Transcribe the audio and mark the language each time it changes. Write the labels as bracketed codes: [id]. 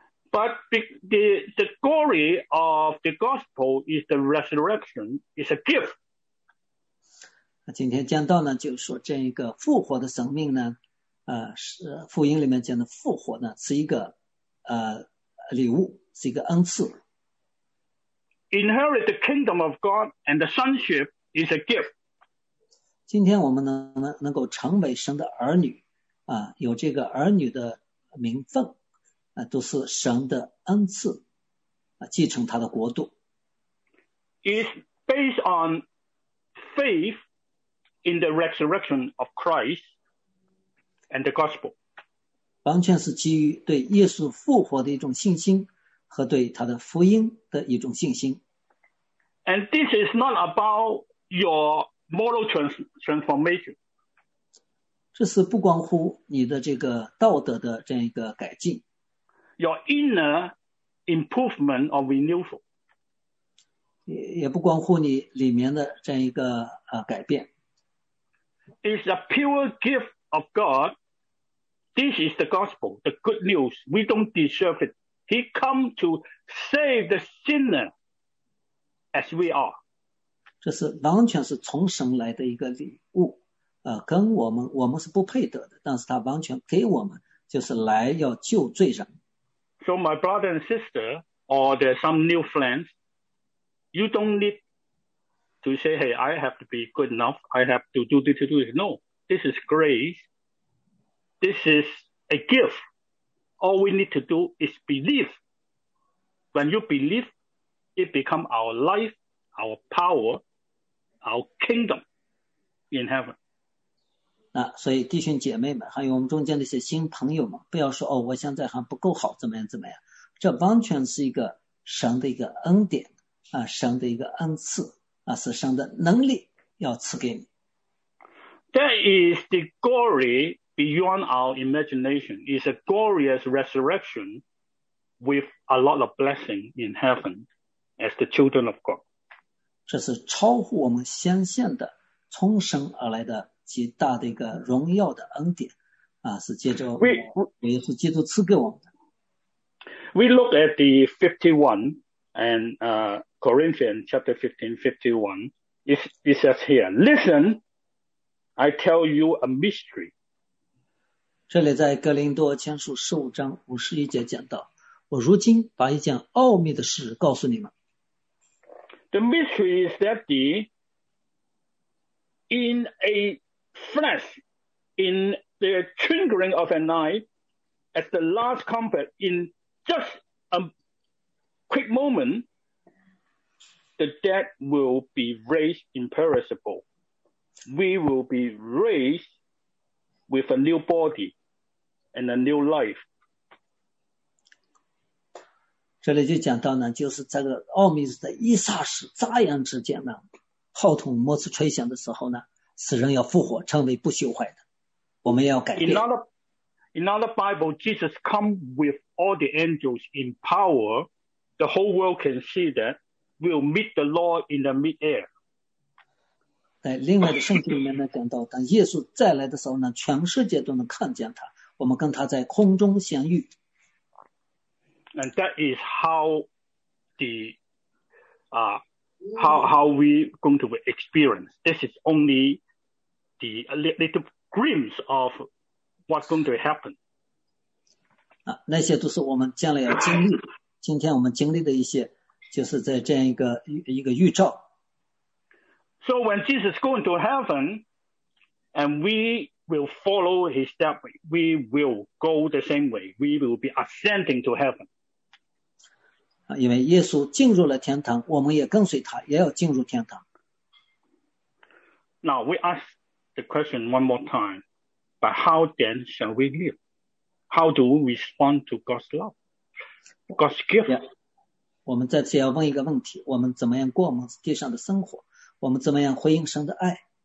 [en] But the glory of the gospel is the resurrection, is a gift. [zh] 今天讲到呢，就是说这一个复活的生命呢，是福音里面讲的复活呢，是一个礼物，是一个恩赐。 [en] Inherit the kingdom of God and the sonship. It's a gift. [zh] 今天我们能够成为神的儿女，有这个儿女的名分，都是神的恩赐，继承他的国度。 [en] It's based on faith in the resurrection of Christ and the gospel. [zh] 完全是基于对耶稣复活的一种信心和对他的福音的一种信心。 [en] And this is not aboutYour moral transformation. [zh] 这是不关乎你的这个道德的这样一个改进。 [en] Your inner improvement or renewal. [zh] 也不关乎你里面的这样一个改变。 [en] It's a pure gift of God. This is the gospel, the good news. We don't deserve it. He come to save the sinner as we are. [zh] 这是完全是从神来的一个礼物，跟我们是不配得的，但是他完全给我们，就是来要救罪人。 [en] So my brother and sister, or there's some new friends, you don't need to say, hey, I have to be good enough. I have to do this, to do this. No, this is grace. This is a gift. All we need to do is believe. When you believe, it becomes our life, our power, our kingdom in heaven. [zh] 那所以弟兄姐妹们，还有我们中间的一些新朋友们，不要说哦，我现在还不够好，怎么样怎么样？这完全是一个神的一个恩典啊，神的一个恩赐啊，是神的能力要赐给你。 [en] That is the glory beyond our imagination. It's a glorious resurrection with a lot of blessing in heaven as the children of God. [zh] 这是超乎我们想象的，从神而来的。极大的一个荣耀的恩典、啊、是借着我也是基督赐给我们的。 [en] We look at the 51 and、Corinthians chapter 15:51 it says here, listen, I tell you a mystery. [zh] 这里在哥林多前书15:51讲到，我如今把一件奥秘的事告诉你们。 [en] The mystery is that the in aFlesh in the twinkling of an eye at the last combat in just a quick moment the dead will be raised imperishable. We will be raised with a new body and a new life. [zh] 这里就讲到呢，就是这个奥秘是在一霎时眨眼之间呢，号筒末次吹响的时候呢，死人要复活，成为不朽坏的。我们要改变。 [en] In another Bible, Jesus come with all the angels in power. The whole world can see that. We'll meet the Lord in the mid-air. [zh] 在另外的圣经里面呢，讲到当耶稣再来的时候呢，全世界都能看见他。我们跟他在空中相遇。 [en] And that is how the, how we going to experience. This is only the little glimpse of what's going to happen. [zh] 啊，那些都是我们将来要经历。今天我们经历的一些，就是在这样一个预兆。 [en] So when Jesus going to heaven, and we will follow his step, we will go the same way. We will be ascending to heaven. [zh] 因为耶稣进入了天堂，我们也跟随他，也要进入天堂。 [en] Now we ask the question one more time, but how then shall we live? How do we respond to God's love, God's gift? [zh] Yeah, 我们再次要问一个问题：我们怎么样过我们地上的生活？我们怎么样回应神的爱